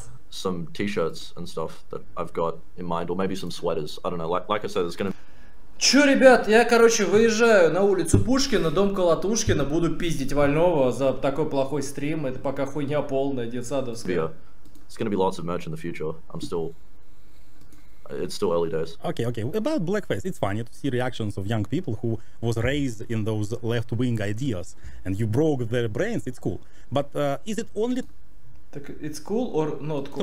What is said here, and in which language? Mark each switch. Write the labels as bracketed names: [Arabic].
[English] Some t-shirts and stuff that I've got in mind, or maybe some sweaters. I don't know, like I said, it's gonna... [Russian] Чё, ребят, я, короче, выезжаю на улицу Пушкина, дом Колотушкина, буду пиздить вольного за такой плохой стрим, это пока хуйня полная, детсадовская. [English] Yeah. It's gonna be lots of merch in the future. I'm still... It's still early days. Okay, okay. About blackface, it's funny to see reactions of young people who was raised in those left-wing ideas and you broke their brains, it's cool. But is it only... Так, it's cool or not cool?